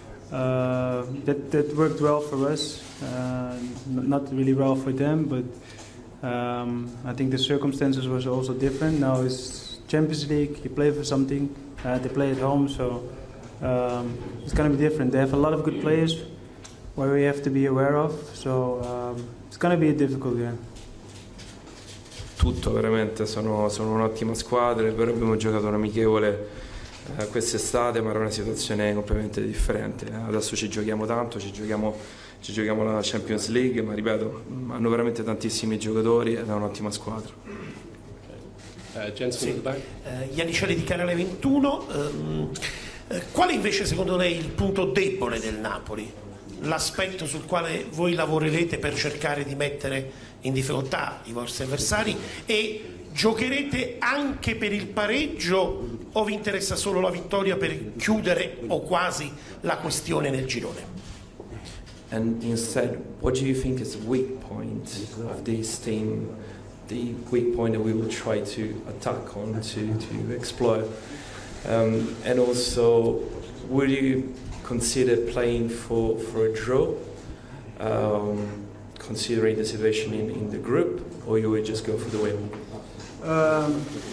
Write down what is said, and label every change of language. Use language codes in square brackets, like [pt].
[en] That worked well for us. Not really well for them, but I think the circumstances was also different. Now it's Champions League, you play for something. They play at home, so it's going to be different. They have a lot of good players. what we have to be aware of. So it's going to be a difficult game. [it] Tutto veramente, sono un'ottima squadra, però abbiamo giocato un amichevole quest'estate, ma era una situazione completamente differente. Adesso ci giochiamo tanto, ci giochiamo la Champions League, ma ripeto, hanno veramente tantissimi giocatori ed è un'ottima squadra. Jensen, Iannicelli di Canale 21. Qual è invece secondo lei il punto debole del Napoli? L'aspetto sul quale voi lavorerete per cercare di mettere in difficoltà i vostri avversari, e giocherete anche per il pareggio o vi interessa solo la vittoria per chiudere o quasi la questione nel girone? [en] And instead, what do you think is the weak point of this team, the weak point that we will try to attack on, to explore? And also, will you consider playing for a draw, considering the situation in the group, or you will just go for the win?